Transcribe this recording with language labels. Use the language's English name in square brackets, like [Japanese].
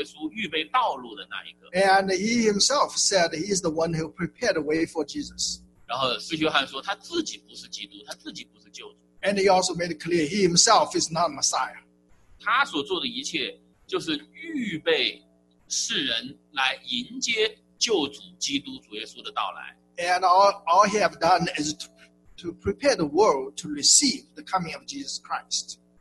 [Chinese] 施约翰说他自己是为救主，是为主耶稣预备道路的那一个。 [English] And he himself said he is the one who prepared the way for Jesus. [Chinese] 然后施约翰说他自己不是基督，他自己不是救主。 [English] And he also made it clear he himself is not Messiah. [Chinese] 他所做的一切就是预备世人来迎接。 [English] And all he have done is to prepare the world to receive the coming of Jesus Christ.